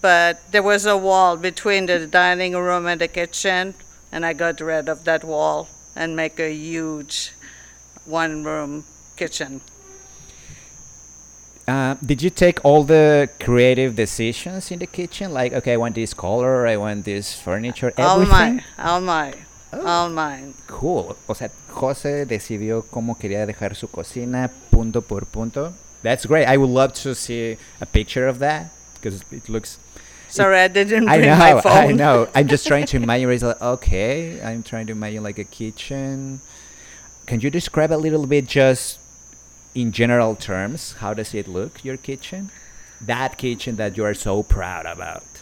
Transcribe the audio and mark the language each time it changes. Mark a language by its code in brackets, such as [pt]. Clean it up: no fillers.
[en] But there was a wall between the dining room and the kitchen, and I got rid of that wall and make a huge one-room kitchen. Did you take all the creative decisions in the kitchen? Like, okay, I want this color, I want this furniture, everything? All mine. Cool. [es] O sea, Jose decidió cómo quería dejar su cocina punto por punto. [en] That's great. I would love to see a picture of that because it looks... Sorry, I didn't bring my phone. I know. I'm just trying to imagine. It's like, okay, I'm trying to imagine like a kitchen. Can you describe a little bit just in general terms? How does it look, your kitchen? That kitchen that you are so proud about.